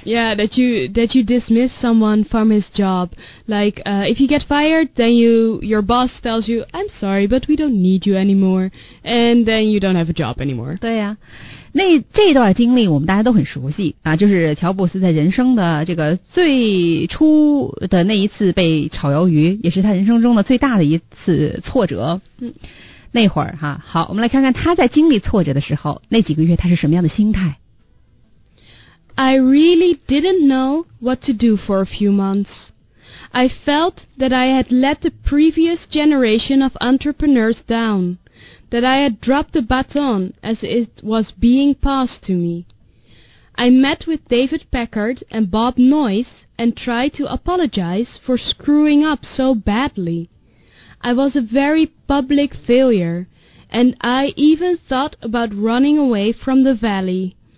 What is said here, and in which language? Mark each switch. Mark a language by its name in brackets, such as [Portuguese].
[English] That, yeah, that you dismiss someone from his job. Like, if you get fired, then your boss tells you, I'm sorry, but we don't need you anymore. And then you don't have a job anymore. [Chinese] 对呀、啊。那这段经历我们大家都很熟悉啊就是乔布斯在人生的这个最初的那一次被炒鱿鱼也是他人生中的最大的一次挫折。嗯那会儿哈、啊、好我们来看看他在经历挫折的时候那几个月他是什么样的心态 [English] I really didn't know what to do for a few months I felt that I had let the previous generation of entrepreneurs down That I had dropped the baton as it was being passed to me I met with David Packard and Bob Noyce And tried to apologize for screwing up so badlyI was a very public failure, and I even thought about running away from the valley.